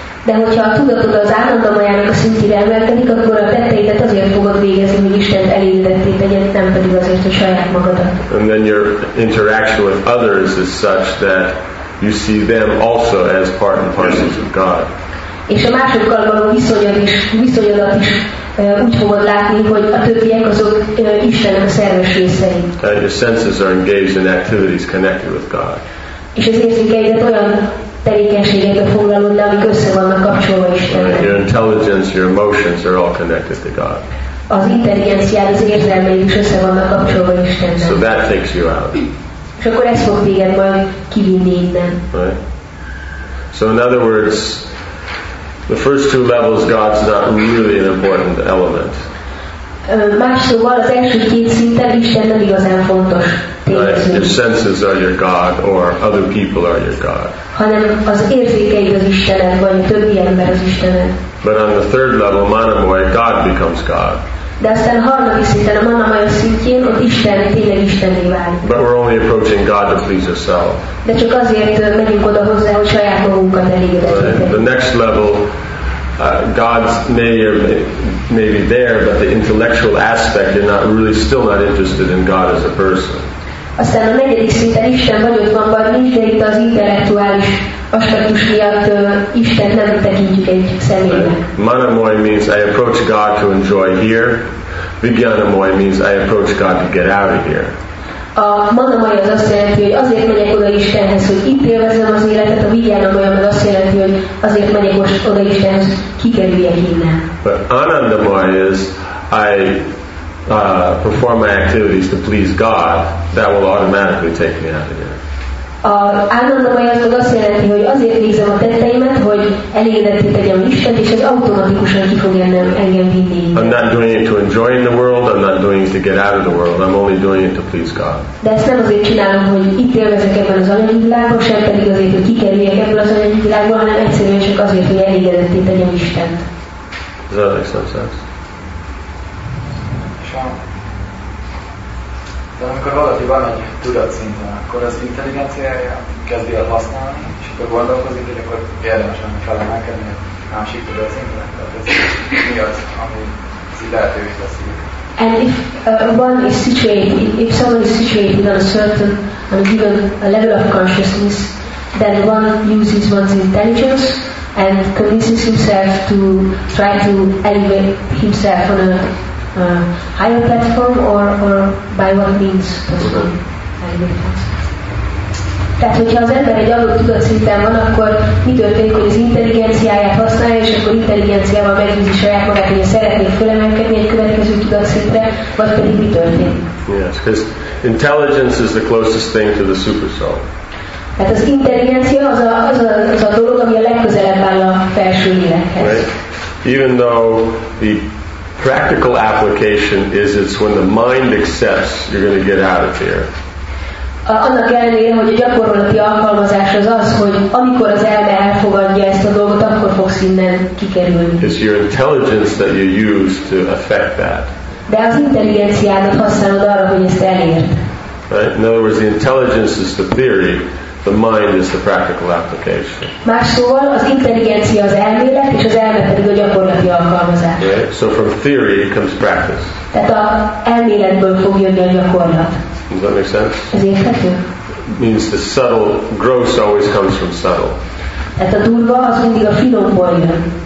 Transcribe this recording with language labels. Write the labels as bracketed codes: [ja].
[hu] De hogyha a tudatod az ananamayának a szintjére emelkedik, akkor a tetteidet azért fogod végezni, hogy Istent elégedetté tegyed, nem pedig azért, hogy saját magadat. [en] And then your interaction with others is such that you see them also as part and parcels of God. [hu] És a másokkal való viszonyodat is úgy fogod látni, hogy a többiek azok Istennek a szerves részei. [en] And your senses are engaged in activities connected with God. [hu] És az érzékeidet olyan tevékenységekbe foglalod, amik össze vannak kapcsolva Istennek. [en] Your intelligence, your emotions are all connected to God. [hu] Az intelligenciád, az érzelmeid is össze vannak kapcsolva Istennek. [en] So that takes you out. [hu] És akkor ezt fog téged majd kivinni innen. [en] Right. So in other words, the first two levels, God's not really an important element. [hu] Más szóval az első két szinten Isten nem igazán fontos. [en] Right. Your senses are your God, or other people are your God. [hu] Hanem az érzékeid az Istened, vagy többi ember az Istened. [en] But on the third level, manamoy, God becomes God. [hu] De aztán a harmadik szinten, a manamaya szintjén, ott Isten tényleg Istenné válik. [en] But we're only approaching God to please yourself. [hu] De csak azért megyünk oda hozzá, hogy saját magunkat elégedetjük. [en] The next level, God's may be there, but the intellectual aspect, you're not really still not interested in God as a person. [hu] Aztán a negyedik szinten Isten vagy ott van, vagy nincs, de itt az intellektuális aspektus miatt Isten nem tekintjük egy személynek. [en] Manamoy means I approach God to enjoy here. Vijnanamoy means I approach God to get out of here. [hu] A manamoy az azt jelenti, hogy azért megyek oda Istenhez, hogy itt élvezem az életet, a vijnanamoy az azt jelenti, hogy azért megyek oda Istenhez, hogy kikerüljek innen. [en] But ananamoy is I perform my activities to please God, that will automatically take me out of here. [hu] Ananamoy az azt jelenti, hogy azért végzem a tetteimet, hogy elégedetté tegyem Istent, és ez automatikusan ki fog engem vinni. [en] I'm not doing it to enjoy the world, I'm not doing it to get out of the world, I'm only doing it to please God. [hu] De ezt nem azért csinálom, hogy itt élvezek ebben az anyagi világban, sem pedig azért, hogy kikerüljek ebből az anyagi világban, hanem egyszerűen csak azért, hogy elégedetté tegyem Istent. [en] Does that make some sense? Sure. [hu] amikor valaki van egy tudatszinten, akkor az intelligenciáját kezdi el használni, és akkor gondolkozik, hogy akkor érdemes lenne felemelkedni egy másik tudatszinten. Tehát ez mi az, ami az lehetővé teszi. [en] And if one is situated, if someone is situated on a certain, on a given level of consciousness, then one uses one's intelligence and convinces himself to try to elevate himself on a higher platform, or by what means possible. [hu] Tehát, hogyha az ember egy adott tudatszinten van, akkor mi történik, hogy az intelligenciáját használja, és akkor intelligenciával megvizsgálja saját magát, hogy szeretné fölemelkedni egy következő tudatszintre, vagy pedig mi történik? [en] Yes, because intelligence is the closest thing to the super soul. [hu] Tehát az intelligencia az a dolog, ami a legközelebb áll a felső lélekhez. [en] Right? Even though the practical application is it's when the mind accepts you're going to get out of here. [hu] Annak ellenére, hogy a gyakorlati alkalmazás az, hogy amikor az elme elfogadja ezt a dolgot, akkor fogsz innen kikerülni. [en] It's your intelligence that you use to affect that. [hu] De az intelligenciádat használod arra, hogy ezt elérd. [en] Right? In other words, the intelligence is the theory, the mind is the practical application. [hu] Más szóval, az intelligencia az elmélet, és az elme pedig a gyakorlati alkalmazás. [en] Right? So from theory comes practice. [hu] Tehát az elméletből fog jönni a gyakorlat. [en] Does that make sense? [hu] Ezért, [en] means the subtle, gross always comes from subtle. [hu] Tehát a durva az mindig a finomból jön.